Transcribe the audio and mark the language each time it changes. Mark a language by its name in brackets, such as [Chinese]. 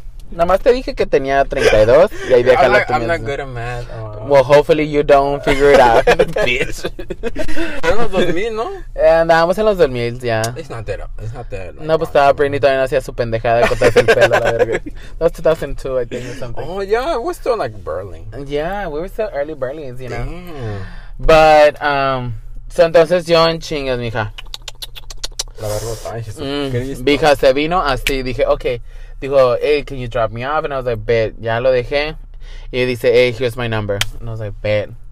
[Spanish] Nada más te dije que tenía 32 y ahí deja la tuya. [English] I'm not good at math. Oh. Well, hopefully you don't figure it out, bitch. [Spanish] En los 2000, ¿no? Andábamos en los 2000, ya. [English] It's not that. [Spanish] No, pues estaba Britney todavía no hacía su pendejada de cortarse el pelo, la verga. [English] That's 2002, I think, or something. Oh, yeah, we're still like Berlin. Yeah, we were still early Berlins, you know. [Spanish] But, so entonces yo en chingas, mija. Vija se vino así, dije, okay. Dijo, [English] hey, can you drop me off? And I was like, bet, [Spanish] ya lo dejé. Y dice, [English] hey, here's my number. And I was like, bet.